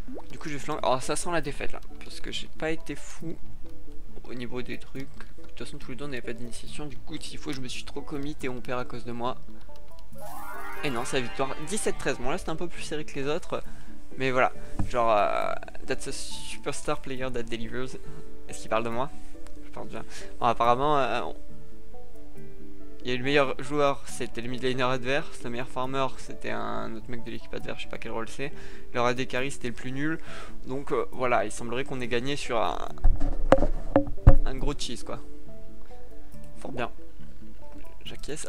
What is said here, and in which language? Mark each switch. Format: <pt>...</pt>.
<fr>Du coup je vais flank. Alors ça sent la défaite là, parce que j'ai pas été fou au niveau des trucs. De toute façon tous les deux on n'avait pas d'initiation. Du coup s'il faut je me suis trop commit et on perd à cause de moi. Et non, c'est la victoire, 17-13. Bon là c'était un peu plus serré que les autres. Mais voilà, genre</fr> <en>that's a superstar player that delivers.</en> <fr>Est-ce qu'il parle de moi? Je pense bien. Bon apparemment il y a eu le meilleur joueur, c'était le mid laner adverse. Le meilleur farmer, c'était un autre mec de l'équipe adverse, je sais pas quel rôle c'est. Le AD carry, c'était le plus nul. Donc voilà, il semblerait qu'on ait gagné sur un gros cheese, quoi. Fort bien. J'acquiesce.</fr>